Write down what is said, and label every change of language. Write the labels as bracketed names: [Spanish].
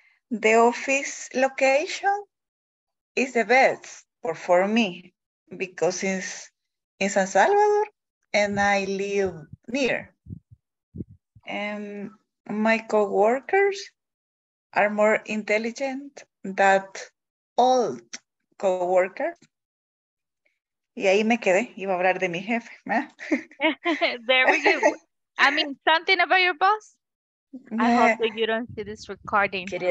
[English] The office location is the best for me because it's in San Salvador and I live near. My co-workers are more intelligent than old co-workers. [Spanish] Y ahí me quedé, iba a hablar de mi jefe. [English] There we go. I mean, something about your boss? I hope that you don't see this recording.